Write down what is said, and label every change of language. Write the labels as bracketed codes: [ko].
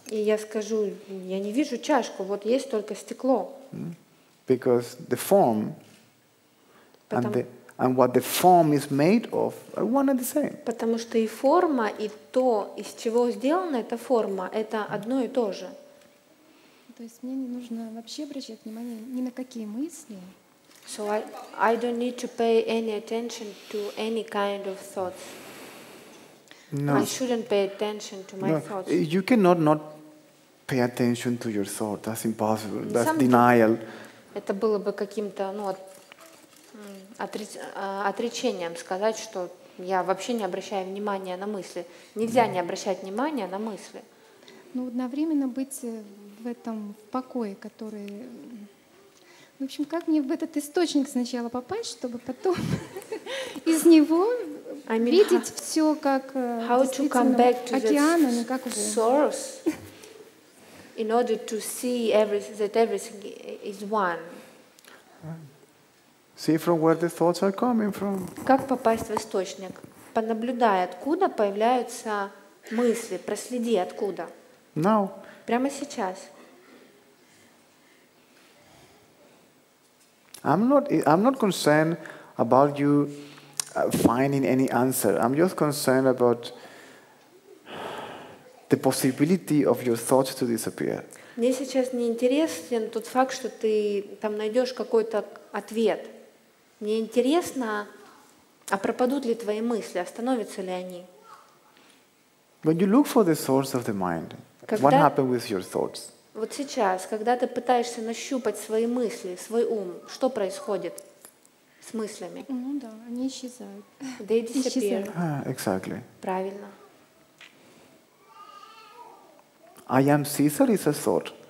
[ru] И я скажу, я не вижу чашку, вот есть только стекло. [en] Because the form and what the form is made of are one and the same. [ru] Потому что и форма, и то, из чего сделана эта форма, это одно и то же. То есть мне не нужно вообще обращать внимание ни на какие мысли. [en] So I don't need to pay any attention to any kind of thoughts. No. I shouldn't pay attention to my thoughts. You cannot not pay attention to your thought. That's impossible. That's denial. [ru] Это было бы каким-то, ну, отречением сказать, что я вообще не обращаю внимания на мысли. Нельзя не обращать внимания на мысли. Ну, одновременно быть в этом покое, который... В общем, как мне в этот источник сначала попасть, чтобы потом из него видеть все как действительно океан, а не как воду. [en] In order to see everything is one. See from where the thoughts are coming from. [ru] Как попасть в источник? Понаблюдай, откуда появляются мысли, проследи, откуда. [en] Now. [ru] Прямо сейчас. [en] I'm not concerned about you finding any answer. I'm just concerned about the possibility of your thoughts to disappear. [ru] Мне сейчас не интересен тот факт, что ты там найдешь какой-то ответ. Мне интересно, а пропадут ли твои мысли, остановятся ли они? [en] When you look for the source of the mind, what happened with your thoughts? [ru] Вот сейчас, когда ты пытаешься нащупать свои мысли, свой ум, что происходит с мыслями? Ну да, они исчезают. [en] They disappear. Exactly. [ru] Правильно. [en] I am Caesar is a thought.